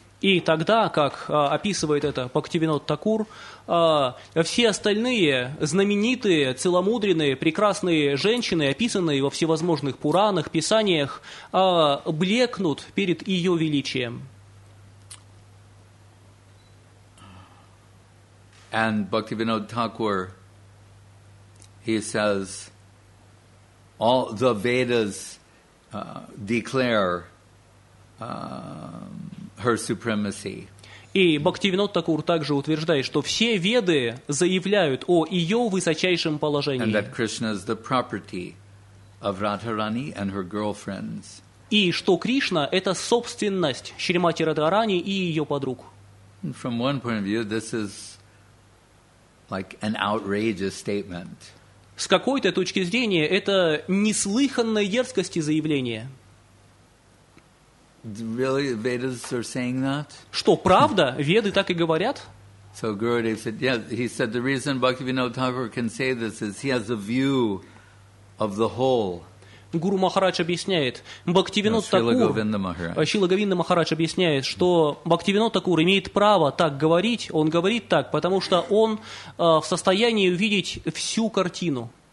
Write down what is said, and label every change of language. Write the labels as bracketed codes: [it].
[ru] И тогда, как описывает это Бхактивинода Такур, все остальные знаменитые, целомудренные, прекрасные женщины, описанные во всевозможных Пуранах, Писаниях, блекнут перед ее величием. [en] And Bhaktivinoda Thakur, he says, all the Vedas declare her supremacy. [ru] И Бхактивинода Такур также утверждает, что все веды заявляют о ее высочайшем положении. [en] And that Krishna is the property of Radharani and her girlfriends. [ru] И что Кришна – это собственность Шримати Радхарани и ее подруг. [en] And from one point of view, this is like an outrageous statement. [ru] С какой-то точки зрения, это неслыханной дерзкости заявление. [en] Really, Vedas are saying that? [ru] Что, правда? Веды так и говорят? [en] So Gurudev said, yeah, he said, the reason Bhaktivinoda Thakur can say this is he has a view of the whole. [ru] Гуру Махарадж объясняет, Шрила Говинда Махарадж объясняет, что Бхактивинода Такур имеет право так говорить, он говорит так, потому что он в состоянии увидеть всю картину.